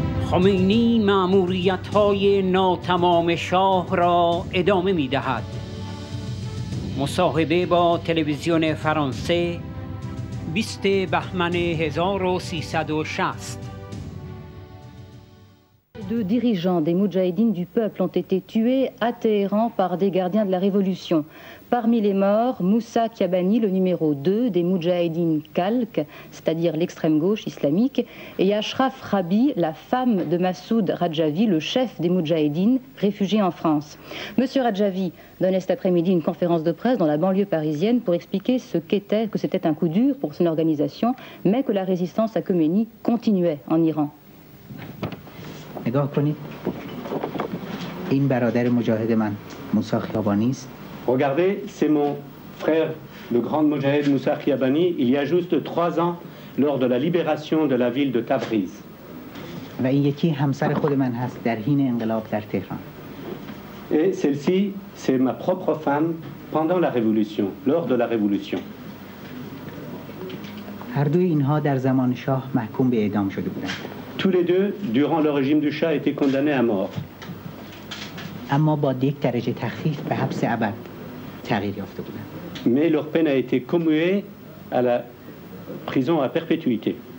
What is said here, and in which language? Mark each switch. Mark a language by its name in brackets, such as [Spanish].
[Persian] خمینی مأموریت های ناتمام شاه را ادامه می دهد. مصاحبه با تلویزیون فرانسه 20 بهمن 1360. [French] Deux dirigeants des Moudjahidines du peuple ont été tués à Téhéran par des gardiens de la Révolution. Parmi les morts, Moussa Kiabani, le numéro 2 des Moudjahidines Khalq, c'est-à-dire l'extrême gauche islamique, et Ashraf Rabi, la femme de Massoud Rajavi, le chef des Moudjahidines, réfugié en France. Monsieur Rajavi donnait cet après-midi une conférence de presse dans la banlieue parisienne pour expliquer ce qu'était, que c'était un coup dur pour son organisation, mais que la résistance à Khomeini continuait en Iran. [Persian] نگاه کنید، این برادر مجاهد من موسی خیابانی است. [French] Regardez, c'est mon frère, le grand mujahid Moussa Khiabani, il y a juste 3 ans lors de la libération de la ville de Tabriz. [Persian] و این یکی همسر خود من هست در حین انقلاب در تهران. [French] Et celle-ci, c'est ma propre femme pendant la révolution, lors de la révolution. [Persian] هر دوی اینها در زمان شاه محکوم به اعدام شده بودند. [French] Tous les deux, durant le régime du Shah, étaient condamnés à mort. Mais leur peine a été commuée à la prison à perpétuité.